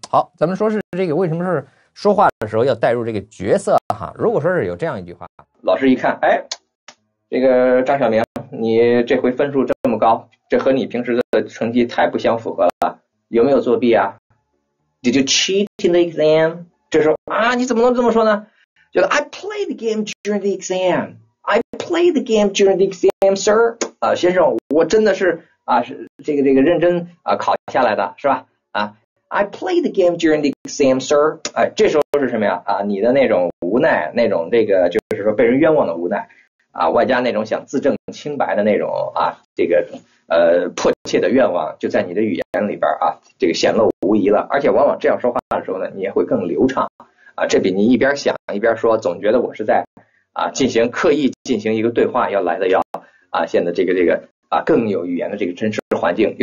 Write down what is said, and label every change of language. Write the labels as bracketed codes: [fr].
[zh] 好，咱们说是这个，为什么是说话的时候要带入这个角色哈？如果说是有这样一句话，老师一看，哎，这个张小明，你这回分数这么高，这和你平时的成绩太不相符合了，有没有作弊啊？ [en] Did you cheat in the exam? [zh] 这时候啊，你怎么能这么说呢？觉得 [en] I played the game during the exam. I played the game during the exam, sir. [zh] 先生，我真的是啊，是这个认真啊考下来的，是吧？ [en] 啊 ，I played the game during the exam, sir. [zh] 这时候是什么呀？啊，你的那种无奈，那种这个就是说被人冤枉的无奈啊，外加那种想自证清白的那种啊，这个迫切的愿望，就在你的语言里边啊，这个显露。无疑了，而且往往这样说话的时候呢，你也会更流畅啊，这比你一边想一边说，总觉得我是在啊进行刻意进行一个对话，要来的要啊现在这个啊更有语言的这个真实环境。